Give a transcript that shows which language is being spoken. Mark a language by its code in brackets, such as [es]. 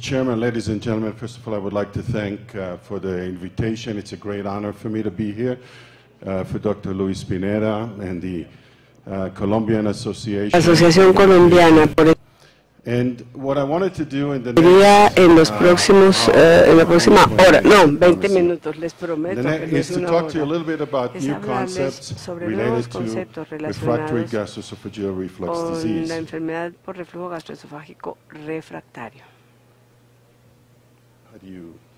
[en] Chairman, ladies and gentlemen, first of all, I would like to thank for the invitation. It's a great honor for me to be here for Dr. Luis Pineda and the Colombian Association. [es] Asociación Colombiana. [en] And what I wanted to do in the next... [es] en los próximos, en la próxima hora, no, 20 minutos, les prometo que no es una hora. [en] To you a little bit about new concepts related to refractory gastroesophageal reflux disease. [es] La enfermedad por reflujo gastroesofágico refractario. [en] How do you...